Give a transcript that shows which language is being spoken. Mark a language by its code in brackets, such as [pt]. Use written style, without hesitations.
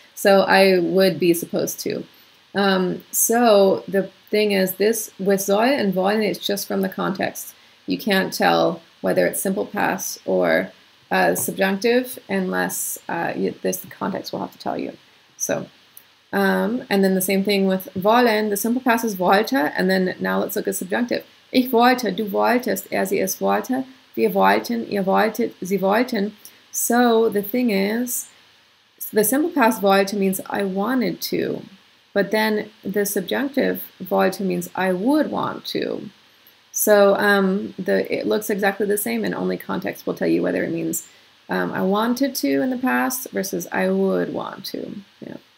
[en] So I would be supposed to. So the thing is, this with soll and wollen, it's just from the context. You can't tell whether it's simple past or subjunctive unless this context will have to tell you. So, and then the same thing with wollen. The simple past is wollte, and then now let's look at subjunctive. [de] Ich wollte, du wolltest, er, sie, es wollte, wir wollten, ihr wolltet, sie wollten. [en] So the thing is, the simple past wollte means I wanted to, but then the subjunctive wollte means I would want to. So it looks exactly the same, and only context will tell you whether it means I wanted to in the past versus I would want to. Yeah.